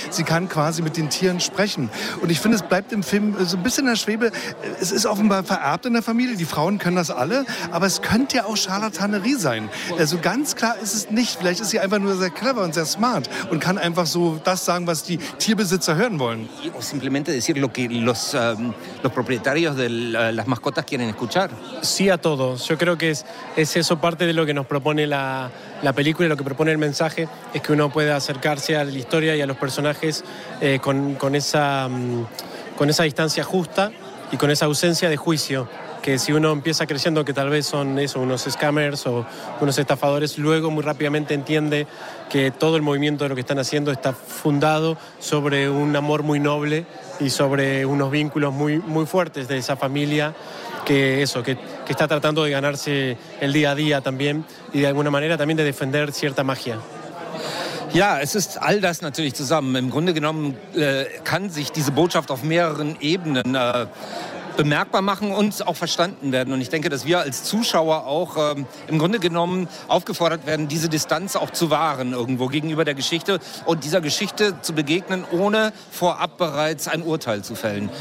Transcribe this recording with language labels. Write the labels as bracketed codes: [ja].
[de] Sie kann quasi mit den Tieren sprechen. Und ich finde, es bleibt im Film so ein bisschen in der Schwebe. Es ist offenbar vererbt in der Familie. Die Frauen können das alle. Aber es könnte ja auch Charlatanerie sein. Also ganz klar ist es nicht. Vielleicht ist sie einfach nur sehr clever und sehr smart und kann einfach so das sagen, was die Tierbesitzer hören wollen. [es] O simplemente decir lo que los propietarios de las mascotas quieren escuchar. Sí a todos. Yo creo que es eso parte de lo que nos propone la película, lo que propone el mensaje, es que uno pueda acercarse a la historia y a los personajes con esa distancia justa y con esa ausencia de juicio. Que si uno empieza creciendo, que tal vez son eso, unos scammers o unos estafadores, luego muy rápidamente entiende que todo el movimiento de lo que están haciendo está fundado sobre un amor muy noble y sobre unos vínculos muy, muy fuertes de esa familia que está tratando de ganarse el día a día también y de alguna manera también de defender cierta magia. [de] Ja, es ist all das natürlich zusammen. Im Grunde genommen kann sich diese Botschaft auf mehreren Ebenen bemerkbar machen und auch verstanden werden. Und ich denke, dass wir als Zuschauer auch im Grunde genommen aufgefordert werden, diese Distanz auch zu wahren irgendwo gegenüber der Geschichte und dieser Geschichte zu begegnen, ohne vorab bereits ein Urteil zu fällen.